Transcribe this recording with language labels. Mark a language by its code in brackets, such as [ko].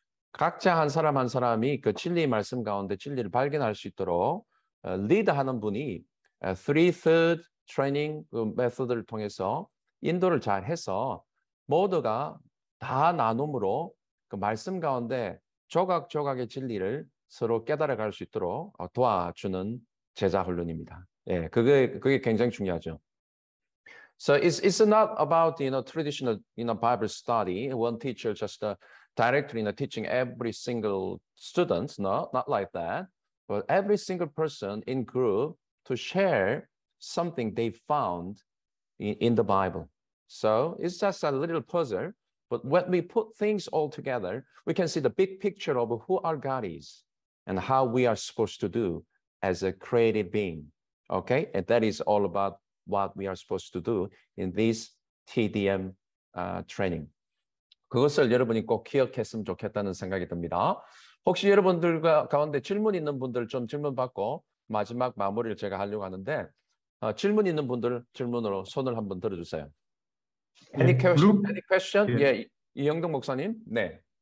[ko] 각자 한 사람 한 사람이 그 진리의 말씀 가운데 진리를 발견할 수 있도록 리드하는 분이 three-third training 그 메소드를 통해서 인도를 잘 해서 모두가 다 나눔으로 그 말씀 가운데 조각조각의 진리를 서로 깨달아갈 수 있도록 도와주는 제자 훈련입니다. 예, 그게 굉장히 중요하죠. [en] So it's not about you know traditional you know Bible study. One teacher just directly you know teaching every single student. No, not like that. But every single person in group to share something they found in the Bible. So it's just a little puzzle, but when we put things all together, we can see the big picture of who our God is and how we are supposed to do as a created being. Okay, and that is all about what we are supposed to do in this TDM training. [ko] 그것을 여러분이 꼭 기억했으면 좋겠다는 생각이 듭니다. 혹시 여러분들 가운데 질문 있는 분들 좀 질문 받고 마지막 마무리를 제가 하려고 하는데 질문 있는 분들 질문으로 손을 한번 들어주세요. [en] Any question? Any question? [ko] 예, 이영동 목사님. 네.